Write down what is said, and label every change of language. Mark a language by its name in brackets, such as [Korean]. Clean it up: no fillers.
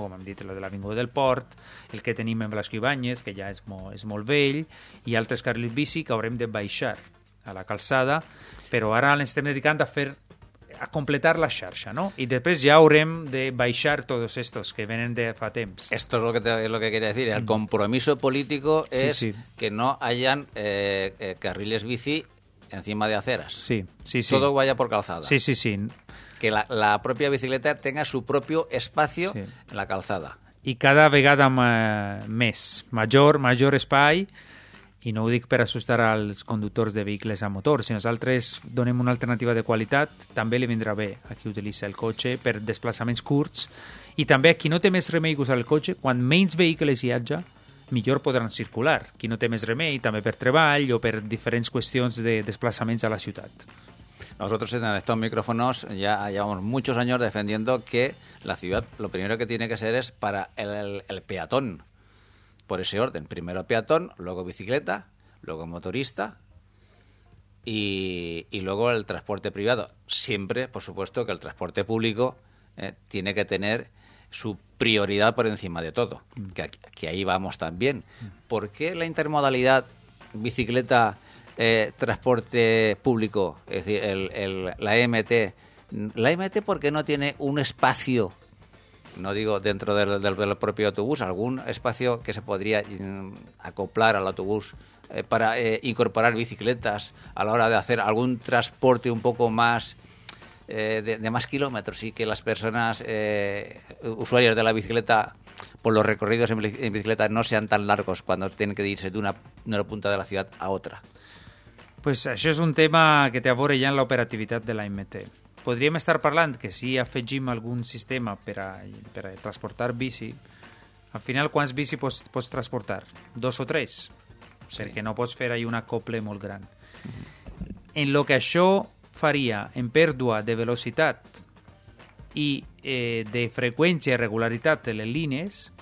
[Catalan] Com hem dit, el de l'Avinguda del Port, el que tenim en Blasco Ibáñez, que ja és molt vell, i altres carrils bici que haurem de baixar a la calçada, però ara ens estem dedicant a completar la xarxa, no? I després ja haurem de baixar tots estos que venen de fa temps. [Spanish] Esto es lo que quería decir. El compromiso político es que no hayan carriles bici encima de aceras. Sí, sí, sí. Todo vaya por calzada. Sí, sí, sí. Que la propia bicicleta tenga su propio espacio en la calzada. [Catalan] I cada vegada més. Major espai. I no ho dic per assustar als conductors de vehicles a motor. Si nosaltres donem una alternativa de qualitat, també li vindrà bé a qui utilitza el cotxe per desplaçaments curts. I també a qui no té més remei que usar el cotxe, quan menys vehicles hi hagi, millor podran circular. Qui no té més remei, també per treball o per diferents qüestions de desplaçaments a la ciutat. [Spanish] Nosotros en estos micrófonos ya llevamos muchos años defendiendo que la ciudad lo primero que tiene que ser es para el peatón, por ese orden. Primero peatón, luego bicicleta, luego motorista y luego el transporte privado. Siempre, por supuesto, que el transporte público tiene que tener su prioridad por encima de todo, que ahí vamos también. ¿Por qué la intermodalidad bicicleta transporte público, es decir, la EMT. La EMT, ¿por qué no tiene un espacio, no digo dentro del propio autobús, algún espacio que se podría acoplar al autobús para incorporar bicicletas a la hora de hacer algún transporte un poco más de más kilómetros y que las personas usuarias de la bicicleta, por los recorridos en bicicleta, no sean tan largos cuando tienen que irse de una punta de la ciudad a otra? [Catalan] Pues això és un tema que té a veure ja en l'operativitat de l'AMT. Podríem estar parlant que si afegim algun sistema per a transportar bici, al final quants bici pots transportar? Dos o tres? Sí. Perquè no pots fer ahí un acople molt gran. En lo que això faria en pèrdua de velocitat i de freqüència i regularitat de les línies,